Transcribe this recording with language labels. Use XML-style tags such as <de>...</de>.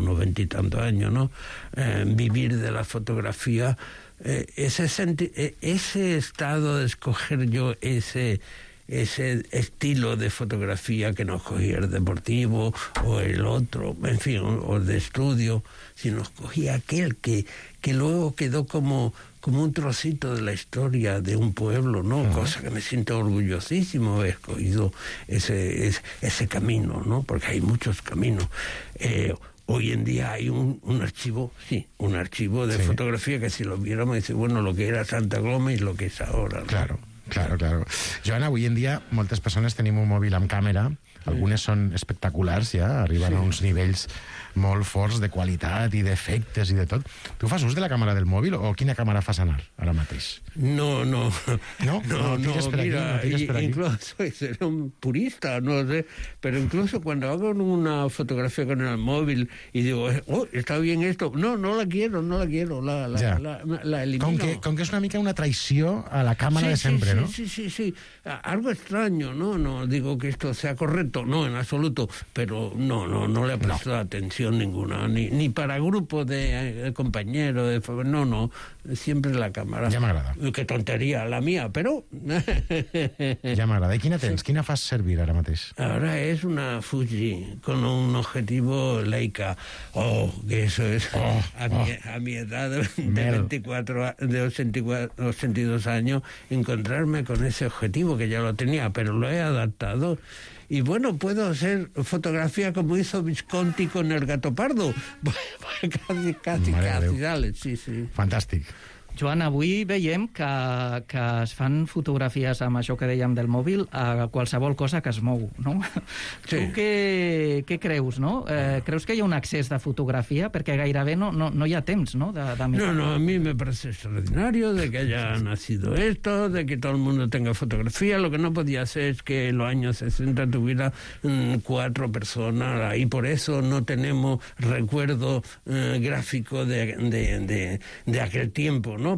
<es>90 y tantos años, ¿no? Vivir de la fotografía, ese estado de escoger yo ese estilo de fotografía que no escogía el deportivo o el otro, en fin, o de estudio, sino escogía aquel que luego quedó como un trocito de la historia de un pueblo, ¿no? Uh-huh. Cosa que me siento orgullosísimo haber escogido ese camino, ¿no? Porque hay muchos caminos. Hoy en día hay un archivo de fotografía que si lo viéramos dice, bueno, lo que era Santa Coloma y lo que es ahora, ¿no? Claro. Claro, claro.</es> <ca>Joan, avui en dia moltes persones tenim un mòbil amb càmera. Algunes són espectaculars, ja. Arriben a uns nivells molt forts de qualitat i d'efectes i de tot. Tu fas ús de la càmera del mòbil o quina càmera fas anar ara mateix? No. No, tires per aquí.</ca> <es>Incluso seré un purista, no sé. Pero incluso cuando hago una fotografía con el mòbil y digo, oh, está bien esto. No la quiero. La elimino.</es> <ca>Com que és una mica una traïció a la càmera</ca> <es>¿no? Sí. Algo extraño, ¿no? No digo que esto sea correcto, no, en absoluto. Pero no le he prestado atención ninguna. Ni para grupo de compañeros, de favor. No. Siempre la cámara. Ya me agrada. Qué tontería la mía, pero... Ya me agrada. ¿Y</es> <ca>quina tens? ¿Quina fas servir ara mateix?</ca> <es>Ahora es una Fuji con un objetivo Leica. Oh, que eso es. A mi edad de 24, de 82 años, encontrarme con ese objetivo que ya lo tenía, pero lo he adaptado. Y bueno, puedo hacer fotografía como hizo Visconti con el gato pardo. casi, dale, sí.</es> <ca>Fantàstic. Joan, avui veiem que es fan fotografies amb això que dèiem del mòbil a qualsevol cosa que es mou, no? Sí. Tu què creus, no? Creus que hi ha un excés de fotografia? Perquè gairebé no hi ha temps, no?</ca> <es>No, a mi me parece extraordinario de que haya nacido esto, de que todo el mundo tenga fotografía. Lo que no podía ser es que en los años 60 tuviera cuatro personas y por eso no tenemos recuerdo gráfico de aquel tiempo. ¿No?</es>